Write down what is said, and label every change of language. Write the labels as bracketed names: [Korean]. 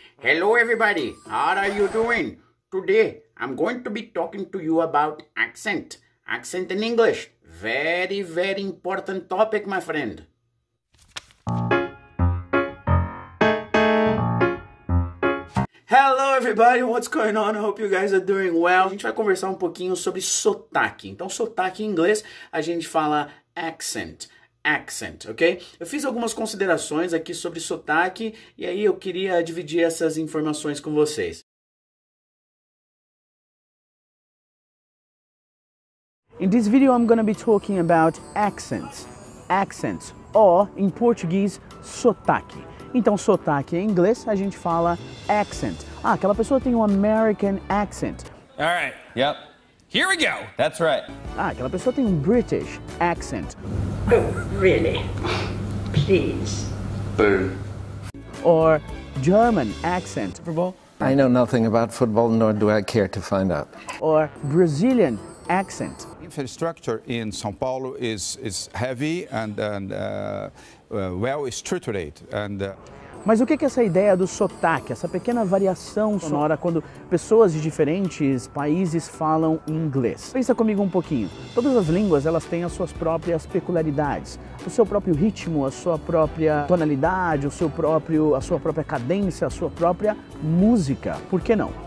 [English] Hello everybody, how are you doing? Today, I'm going to be talking to you about accent. Accent in English, very, very important topic, my friend. Hello everybody, what's going on? I hope you guys are doing well. [Portuguese] A gente vai conversar um pouquinho sobre sotaque. Então, sotaque em inglês, a gente fala accent. Accent, ok? Eu fiz algumas considerações aqui sobre sotaque e aí eu queria dividir essas informações com vocês. [English] In this video, I'm going to be talking about accents. Accents, or in Portuguese, sotaque. [Portuguese] Então, sotaque em inglês, a gente fala accent. Ah, aquela pessoa tem um American accent. [English] All right, yep. Here we go. That's right. [Portuguese] Ah, aquela pessoa tem um British accent. [English] Oh, really? Please. Boom. Or German accent. Football? I know nothing about football, nor do I care to find out. Or Brazilian accent. Infrastructure in São Paulo is heavy and well structured. [Portuguese] Mas o que é essa ideia do sotaque, essa pequena variação sonora quando pessoas de diferentes países falam inglês? Pensa comigo um pouquinho. Todas as línguas, elas têm as suas próprias peculiaridades. O seu próprio ritmo, a sua própria tonalidade, a sua própria cadência, a sua própria música. Por que não?